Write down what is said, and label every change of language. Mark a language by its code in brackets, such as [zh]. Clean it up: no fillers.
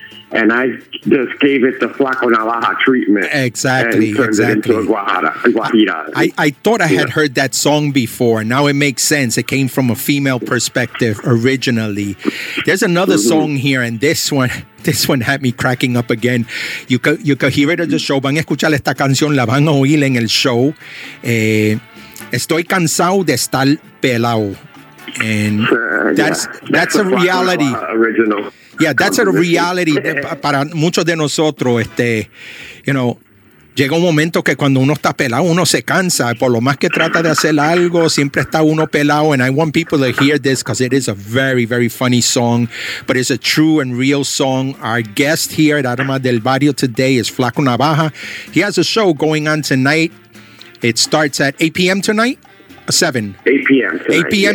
[en] And I just gave it the Flaco Navaja treatment. Exactly, exactly. And turned it into a guajira. I thought I had heard that song before. Now it makes sense. It came from a female perspective originally. There's another song here, and this one had me cracking up again. You can hear it at the show. [es] Van a escuchar esta canción, la van a oír en el show. Estoy cansado de estar pelado. [en] And that's a reality. Original. Yeah, that's a reality [es] para muchos de nosotros. [en] You know, [es] llega un momento que cuando uno está pelado, uno se cansa. Por lo más que trata de hacer algo, siempre está uno pelado. [en] And I want people to hear this because it is a very, very funny song. But it's a true and real song. Our guest here at Arma del Barrio today is Flaco Navaja. He has a show going on tonight. It starts at 8 p.m. tonight? 7. 8 p.m. tonight. 8 p.m.